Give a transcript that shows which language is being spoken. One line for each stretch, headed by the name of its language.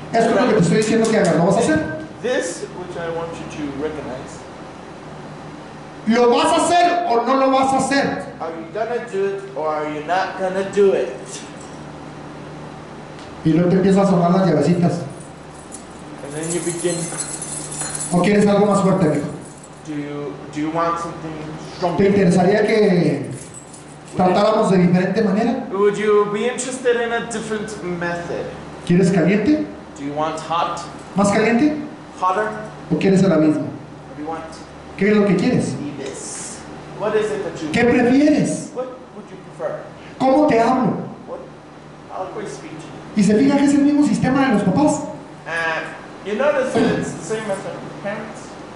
Spanish: Esto es lo que te estoy diciendo que hagas. ¿Lo vas a hacer?
English: This which I want you to recognize.
Spanish: ¿Lo vas a hacer o no lo vas a hacer?
English: Are you gonna do it or are you not gonna do it?
Spanish: Y luego te empiezas a sonar las llavecitas.
English: And then you begin.
Spanish: ¿O quieres algo más fuerte, amigo?
English: Do you want something stronger?
Spanish: ¿Te interesaría que tratáramos de diferente manera?
English: Would you be interested in a different method?
Spanish: ¿Quieres caliente?
English: Do you want hot?
Spanish: ¿Más caliente?
English: Hotter?
Spanish: ¿O quieres el abismo?
English: What do you want?
Spanish: ¿Qué es lo que quieres?
English: What is it that you
Spanish: ¿qué prefieres?
English: What would you prefer?
Spanish: ¿Cómo te hablo?
English: What? How do I speak to you?
Spanish: ¿Y se fija que es el mismo sistema de los papás?
English: You notice that it's the same method of parents?